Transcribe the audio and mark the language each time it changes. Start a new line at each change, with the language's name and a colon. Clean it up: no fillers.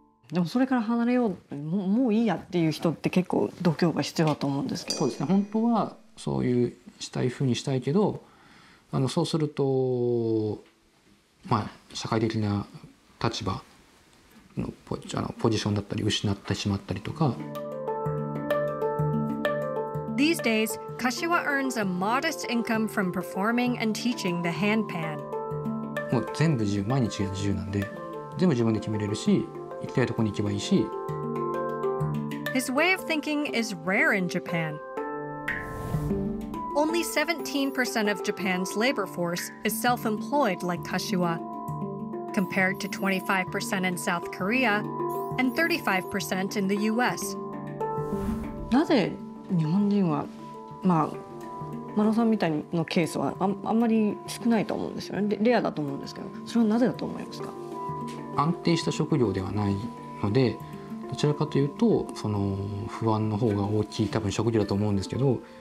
Japanese: でもそれから離れよう、もういいやっていう人って結構度胸が必要だと思うんですけど。そうですね。本当はそういうしたいふうにしたいけど、そうすると、まあ、社会的な立場 の, ポジションだったり失ってしまったりとか。
English: These days, Kashiwa earns a modest income from performing and teaching the handpan.
Japanese: もう全部自由、毎日が自由なんで、全部自分で決めれるし、行きたいところに行けばいいし。
English: His way of thinking is rare in Japan. Only 17% of Japan's labor force is self-employed like Kashiwa, compared to 25% in South Korea and 35% in the US.
Japanese: なぜ日本人は、まあ、マロさんみたいのケースは あんまり少ないと思うんですよね。レアだと思うんですけど、それはなぜだと思いますか？安定した職業ではないので、どちらかというとその不安の方が大きい、多分職業だと思うんですけど、